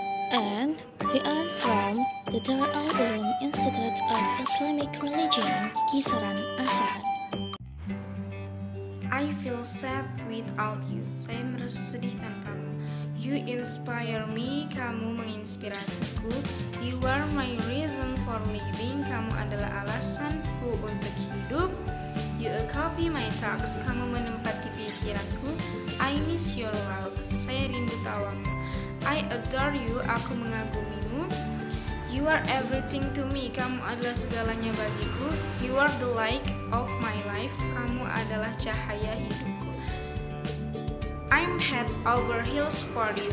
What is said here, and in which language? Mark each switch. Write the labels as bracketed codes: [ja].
[en] And we are from the Darul Uloom Institute of Islamic Religion, Kisaran Asad. I feel sad without you. [id] Saya merasa sedih tanpa kamu. [en] You inspire me. [id] Kamu menginspirasiku. [en] You are my reason for living. [id] Kamu adalah alasanku untuk hidup. [en] You occupy my thoughts. [id] Kamu menempati pikiranku. [en] I miss your love. [id] Saya rindu tawamu. [en] I adore you. [id] Aku mengagumimu. [en] You are everything to me. [id] Kamu adalah segalanya bagiku. [en] You are the light of my life. [id] Kamu adalah cahaya hidupku. [en] I'm head over heels for you.